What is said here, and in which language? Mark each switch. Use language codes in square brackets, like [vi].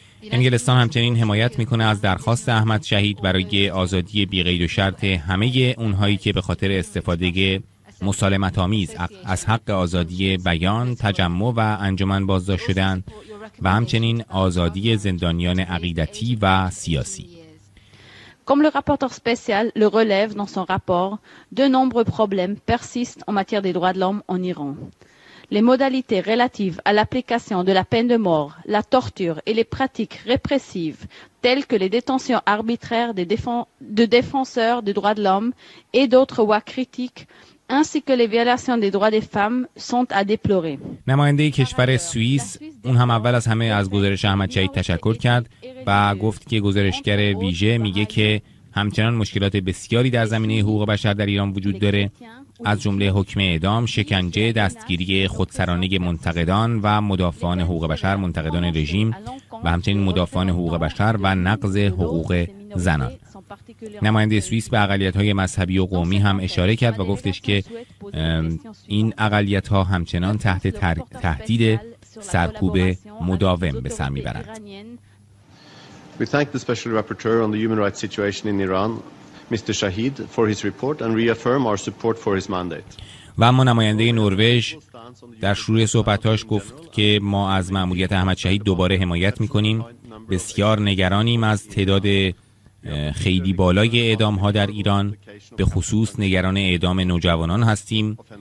[fa] انگلستان همچنین حمایت میکنه از درخواست احمد شهید برای آزادی بی قید و شرط همه اونهایی که به خاطر استفاده مسالمت‌آمیز از حق آزادی بیان، تجمع و انجمن بازداشت شدند و همچنین آزادی زندانیان عقیدتی و سیاسی. [fr] Comme le rapporteur spécial le relève dans son rapport, de nombreux problèmes persistent en matière des droits de l'homme en Iran. Les modalités relatives à l'application de la peine de mort, la torture et les pratiques répressives, telles que les détentions arbitraires de défenseurs des droits de l'homme et d'autres voies critiques, ainsi que les violations des droits des femmes, sont à déplorer. [fa] نماینده کشور سوئیس، اون هم اول از همه از گزارش احمد شهید تشکر کرد و گفت که گزارشگر ویژه میگه که همچنان مشکلات بسیاری در زمینه حقوق بشر در ایران وجود داره، از جمله حکم اعدام، شکنجه، دستگیری خودسرانه منتقدان و مدافعان حقوق بشر، منتقدان رژیم و همچنین مدافعان حقوق بشر و نقض حقوق زنان. نماینده سوئیس به اقلیت‌های مذهبی و قومی هم اشاره کرد و گفتش که این اقلیت‌ها همچنان تحت تهدید سرکوب مداوم به سر می‌برند. [en] We thank the Special Rapporteur on the Human Rights Situation in Iran, Mr. Shahid, for his report and reaffirm our support for his mandate. [fa] و اما نماینده نروژ در شروع صحبتاش گفت که ما از مأموریت احمد شهید دوباره حمایت میکنیم. بسیار نگرانیم از تعداد خیلی بالای اعدام ها در ایران، به خصوص نگران اعدام نوجوانان هستیم.